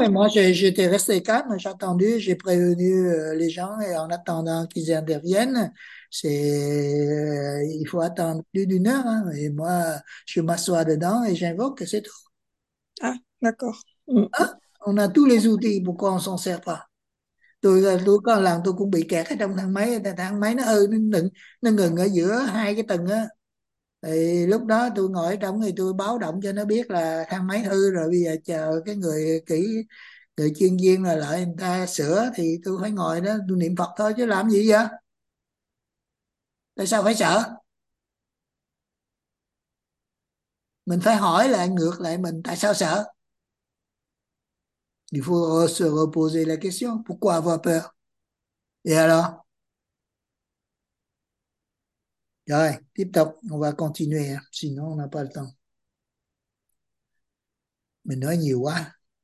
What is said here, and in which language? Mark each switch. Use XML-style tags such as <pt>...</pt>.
<fr>mais moi j'étais resté calme, j'ai attendu, j'ai prévenu les gens et en attendant qu'ils interviennent, il faut attendre plus d'une heure. Hein, et moi, je m'assois dedans et j'invoque, c'est tout. Ah, d'accord. Ah, on a tous les outils, pourquoi on ne s'en sert pas?</fr> <vi>Tôi có lần tôi cũng bị kẹt ở trong thang máy nó ngừng ở giữa hai cái tầng á. Thì lúc đó tôi ngồi ở trong thì tôi báo động cho nó biết là thang máy hư rồi, bây giờ chờ cái người chuyên viên là lại người ta sửa, thì tôi phải ngồi đó tôi niệm Phật thôi chứ làm gì vậy, tại sao phải sợ? Mình phải hỏi lại ngược lại mình tại sao sợ.</vi> <fr>Il faut se reposer la question, pourquoi avoir peur? Et alors?</fr> <vi>Rồi, tiếp tục,</vi> <fr>on va continuer, sinon on n'a pas le temps.</fr> <vi>Mình nói nhiều quá.</vi>